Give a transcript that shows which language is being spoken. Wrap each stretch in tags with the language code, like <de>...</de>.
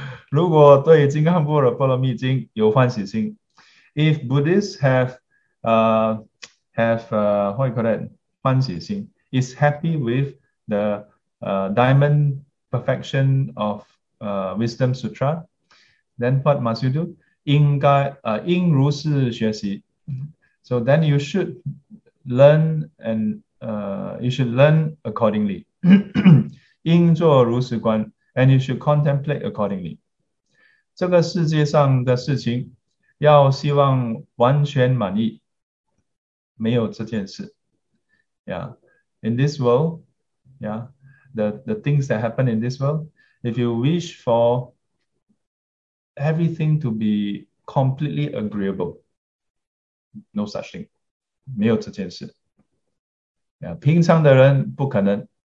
<zh>如果对《金刚般若波罗蜜经》有欢喜心，</zh> <en>if Buddhists have what you call it 欢喜心，is happy with the diamond perfection of Wisdom Sutra, then what must you do?</en> <zh>应如是学习.</zh> <en>So then you should learn and you should learn accordingly.</en> <zh>应作如是观,</zh> <en>and you should contemplate accordingly.</en> <zh>这个世界上的事情, 要希望完全满意, 没有这件事.</zh> <en>Yeah. In this world, yeah, the things that happen in this world, if you wish for everything to be completely agreeable, no such thing.</en> <zh>没有这件事.Yeah, 平常的人不可能.</zh>